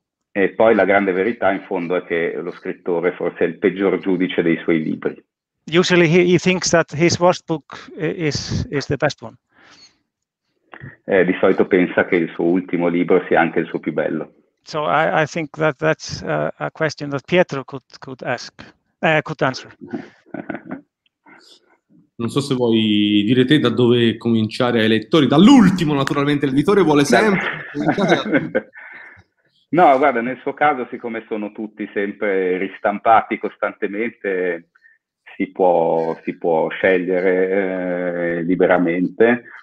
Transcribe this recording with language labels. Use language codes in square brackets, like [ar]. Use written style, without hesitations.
[it] E poi la grande verità in fondo è che lo scrittore forse è il peggior giudice dei suoi libri. [en] Usually he thinks that his worst book is the best one. [it] Di solito pensa che il suo ultimo libro sia anche il suo più bello. [en] So I think that that's a question that Pietro could ask, could answer. [it] Non so se vuoi dire te da dove cominciare ai lettori, dall'ultimo naturalmente, l'editore vuole sempre. No, guarda, nel suo caso, siccome sono tutti sempre ristampati costantemente, si può scegliere liberamente.